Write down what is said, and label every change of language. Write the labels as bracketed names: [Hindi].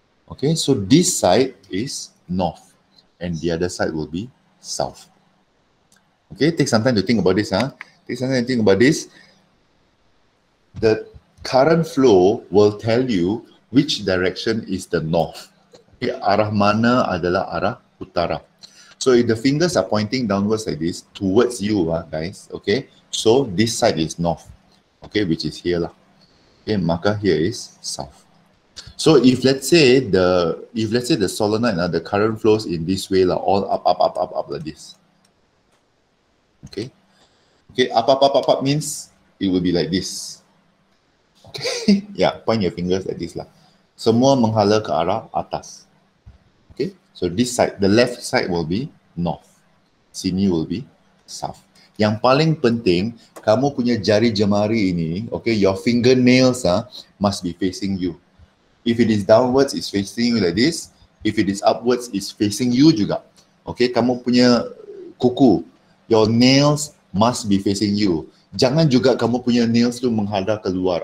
[English] Okay, so this side is north and the other side will be south. Okay, take some time to think about this. Take some time to think about this. The current flow will tell you which direction is the north. [Malay] Okay, arah mana adalah arah utara. [English] So if the fingers are pointing downwards like this, towards you, guys, okay, so this side is north. Okay, which is here lah. Okay, marker here is south. So if let's say the solenoid, the current flows in this way lah, all up like this. Okay, up means it will be like this. Okay, yeah, point your fingers like this lah. [Malay] Semua menghala ke arah atas. [English] Okay, so this side, the left side will be north. Sini will be south. [Malay] Yang paling penting, kamu punya jari jemari ini, okay, [English] your fingernails must be facing you. If it is downwards, it's facing you like this. If it is upwards, it's facing you juga. Okay, [Malay] kamu punya kuku, [English] your nails must be facing you. [Malay] Jangan juga kamu punya nails tu menghadap keluar.